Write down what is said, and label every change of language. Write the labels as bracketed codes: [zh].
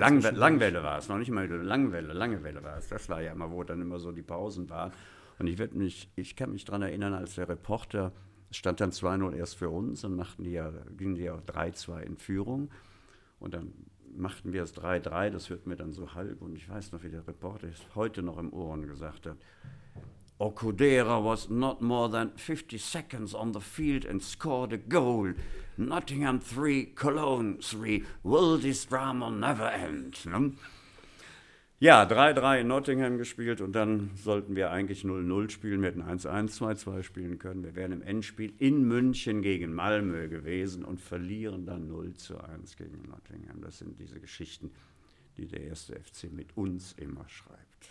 [de] Langwelle war es, noch nicht mal lange Welle war es. Das war ja immer, wo dann immer so die Pausen waren. Und ich kann mich daran erinnern, als der Reporter, es stand dann 2-0 erst für uns und gingen die ja 3-2 in Führung. Und dann machten wir es 3-3, das hört mir dann so halb. Und ich weiß noch, wie der Reporter es heute noch im Ohren gesagt hat. [en] Okudera was not more than 50 seconds on the field and scored a goal. Nottingham 3, Cologne 3, will this drama never end? [de] Ne? Ja, 3-3 in Nottingham gespielt und dann sollten wir eigentlich 0-0 spielen. Wir hätten 1-1, 2-2 spielen können. Wir wären im Endspiel in München gegen Malmö gewesen und verlieren dann 0-1 gegen Nottingham. Das sind diese Geschichten, die der erste FC mit uns immer schreibt.